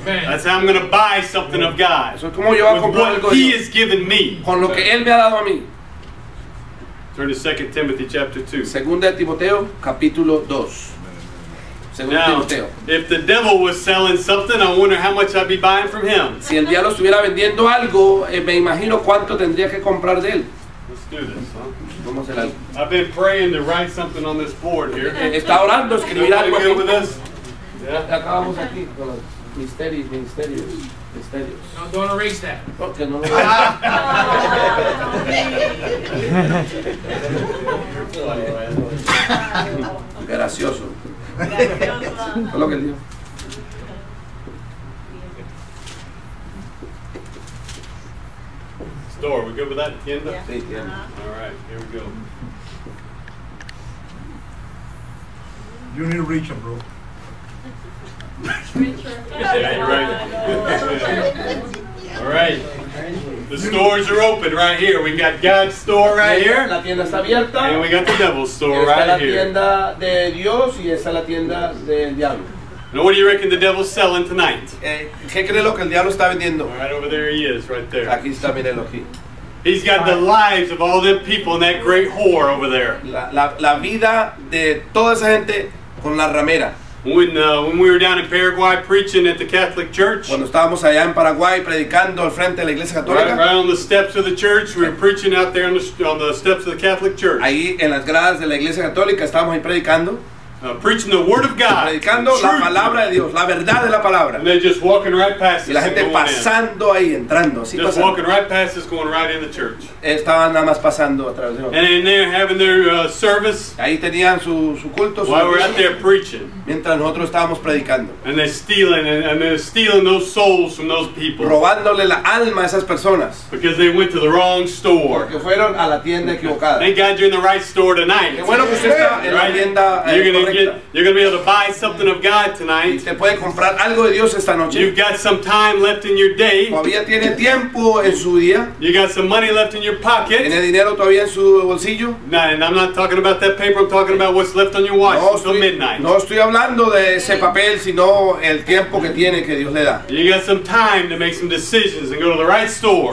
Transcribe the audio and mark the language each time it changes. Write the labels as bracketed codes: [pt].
[en] That's how I'm going to buy something of God. [es] Eso es como yo voy a comprar algo. [en] He has given me. [es] Con lo que él me ha dado a mí. [en] Turn to 2 Timothy chapter 2. [es] Segunda Timoteo, capítulo 2. Segunda [en] Now, [es] Timoteo. [en] If the devil was selling something, I wonder how much I'd be buying from him. [es] Si el diablo estuviera vendiendo algo, me imagino cuánto tendría que comprar de él. [en] Let's do this, huh? [es] Vamos a hacer algo. [en] I've been praying to write something on this board here. [es] Está orando, escribir algo. [en] Are you good with this? [es] Yeah. Acabamos aquí con los misterios. Gracioso. Lo que dijo. [en] Store, we good with that? Tienda. [es] Sí, tienda. [en] All right, here we go. You need to reach him, bro. All right. The stores are open right here. We got God's store right here. [es] La tienda está abierta. [en] And we got the devil's store right here. [es] Esta es la tienda de Dios y esta es la tienda del diablo. [en] Now what do you reckon the devil's selling tonight? [es] ¿Qué crees lo que el diablo está vendiendo? [en] Right over there he is, right there. [es] Aquí está, mírelo aquí. [en] He's got the lives of all the people in that great whore over there. [es] La vida de toda esa gente con la ramera. [en] When we were down in Paraguay preaching at the Catholic Church, [es] cuando estábamos allá en Paraguay predicando al frente de la Iglesia Católica, [en] right on the steps of the church, we were preaching out there on the steps of the Catholic Church. [es] Ahí en las gradas de la Iglesia Católica estábamos ahí predicando. [en] Preaching the word of God, [es] predicando la palabra de Dios, la verdad de la palabra. [en] And they're just walking right past us. [es] Y la gente pasando ahí, entrando. [en] Just walking right past us, going right in the church. [es] Estaban nada más pasando a través de nosotros. [en] And in there having their service. [es] Ahí tenían su culto. [en] While we're out there preaching. [es] Mientras nosotros estábamos predicando. [en] And they're stealing and they're stealing those souls from those people. [es] Robándole la alma a esas personas. [en] Because they went to the wrong store. [es] Porque fueron a la tienda equivocada. [en] Thank God you're in the right store tonight. [es] Qué bueno que usted está en la tienda. [en] You're going to be able to buy something of God tonight. [es] Y te puede comprar algo de Dios esta noche. [en] You've got some time left in your day. [es] Todavía tiene tiempo en su día. [en] You got some money left in your pocket. [es] Tiene dinero todavía en su bolsillo. [en] No, and I'm not talking about that paper. I'm talking about what's left on your watch until midnight. [es] No estoy hablando de ese papel, sino el tiempo que tiene que Dios le da. [en] You got some time to make some decisions and go to the right store.